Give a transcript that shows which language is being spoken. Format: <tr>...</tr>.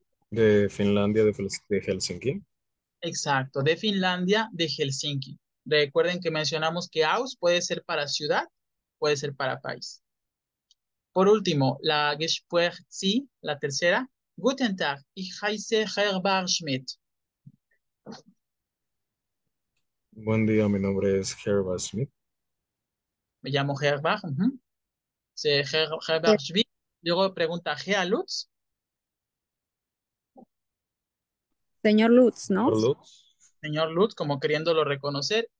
<es>De Finlandia, de Helsinki. Exacto, de Finlandia, de Helsinki. Recuerden que mencionamos que aus puede ser para ciudad, puede ser para país. Por último, la Gespräch C, la tercera.</es> <de>Guten Tag, ich heiße Herbert Schmidt.</de> <es>Buen día, mi nombre es Herbert Smith. Me llamo Herbach. Herbach Schmidt. Luego pregunta Gea Lutz. Señor Lutz, ¿no? Señor Lutz. Señor Lutz, como queriéndolo reconocer.</es>